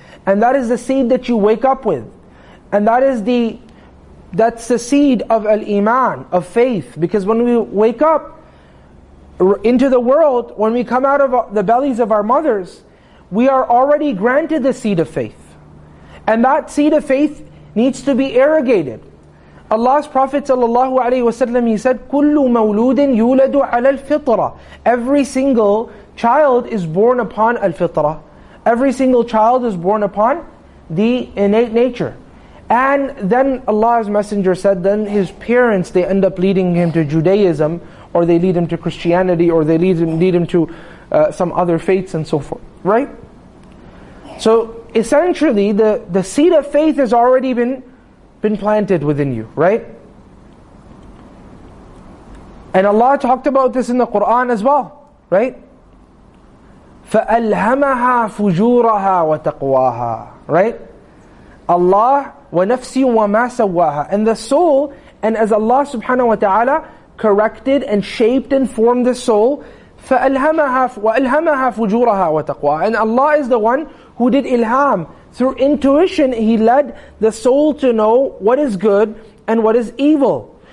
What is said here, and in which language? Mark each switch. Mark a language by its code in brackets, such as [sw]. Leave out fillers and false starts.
[en] And that is the seed that you wake up with. And that's the seed of al-Iman, of faith. Because when we wake up into the world, when we come out of the bellies of our mothers, we are already granted the seed of faith. And that seed of faith needs to be irrigated. Allah's Prophet ﷺ, he said, [ar] كُلُّ مَوْلُودٍ يُولَدُ عَلَى الْفِطْرَةِ. [en] Every single child is born upon al-fitrah. Every single child is born upon the innate nature. And then Allah's Messenger said, then his parents, they end up leading him to Judaism, or they lead him to Christianity, or they lead him to some other faiths and so forth. Right? So essentially, the seed of faith has already been planted within you, right? And Allah talked about this in the Quran as well, right? [ar] فَأَلْهَمَهَا فُجُورَهَا وَتَقْوَاهَا, [en] right? Allah [ar] وَنَفْسِ وَمَا سَوَّاهَا, [en] and the soul, and as Allah subhanahu wa ta'ala corrected and shaped and formed the soul, [ar] فَأَلْهَمَهَا فُجُورَهَا وَتَقْوَاهَا, [en] and Allah is the one who did ilham. Through intuition, he led the soul to know what is good and what is evil.